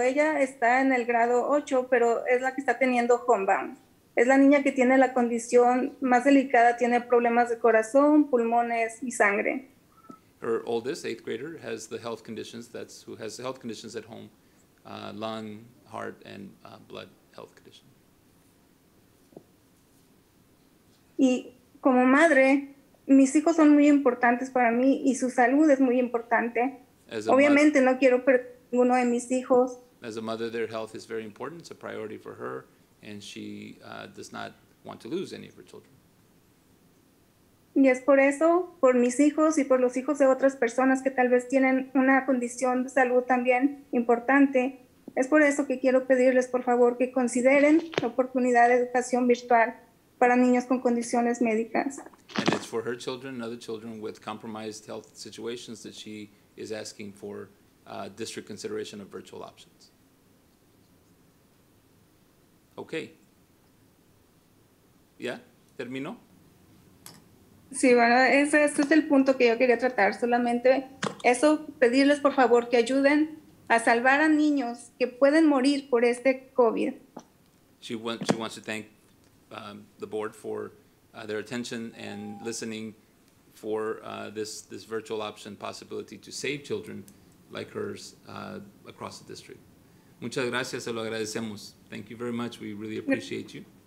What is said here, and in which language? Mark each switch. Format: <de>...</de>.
<es>Ella está en el grado 8, pero es la que está teniendo homebound. Es la niña que tiene la condición más delicada, tiene problemas de corazón, pulmones y sangre.</es> <en>Her oldest, eighth grader, has the health conditions. Who has the health conditions at home, lung, heart, and blood health condition.</en> <es>Y como madre, mis hijos son muy importantes para mí y su salud es muy importante. Obviamente, no quiero perder ninguno de mis hijos.</es> <en>As a mother, their health is very important. It's a priority for her, and she does not want to lose any of her children.</en> <es>Y es por eso, por mis hijos y por los hijos de otras personas que tal vez tienen una condición de salud también importante, es por eso que quiero pedirles, por favor, que consideren la oportunidad de educación virtual para niños con condiciones médicas.</es> <en>And it's for her children and other children with compromised health situations that she is asking for district consideration of virtual options. Okay.</en> <es>Yeah, terminó. Sí, bueno, ese es el punto que yo quería tratar. Solamente eso, pedirles por favor que ayuden a salvar a niños que pueden morir por este COVID.</es> <en>She wants to thank the board for their attention and listening for this virtual option possibility to save children like hers across the district.</en> <es>Muchas gracias, se lo agradecemos.</es> <en>Thank you very much. We really appreciate you.</en>